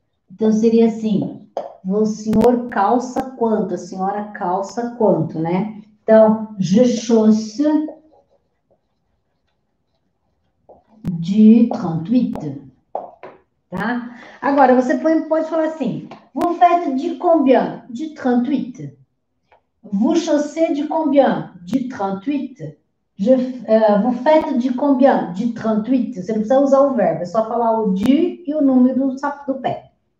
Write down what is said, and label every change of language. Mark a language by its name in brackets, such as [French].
[Portuguese] Então seria assim: O senhor calça quanto? A senhora calça quanto, né? [French] Então, je chausse du 38. Tá? [Portuguese] Agora, você pode falar assim: [French] Vous faites du combien? Du 38. Vous chaussez du combien? Du 38. Vous faites du combien? Du 38. [Portuguese] Você não precisa usar o verbo, é só falar o du e o número do sapato do pé.